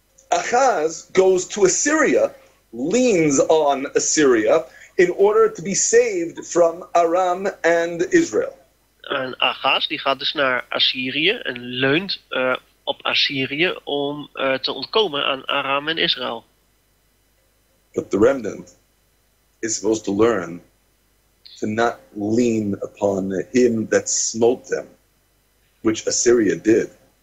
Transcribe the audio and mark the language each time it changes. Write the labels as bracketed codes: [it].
[en] Ahaz goes to Assyria, leans on Assyria, in order to be saved from Aram and Israel. [nl] En Ahaz die gaat dus naar Assyrië en leunt op Assyrië om te ontkomen aan Aram en Israël. [en] But the remnant is supposed to learn to not lean upon him that smote them, which Assyria did.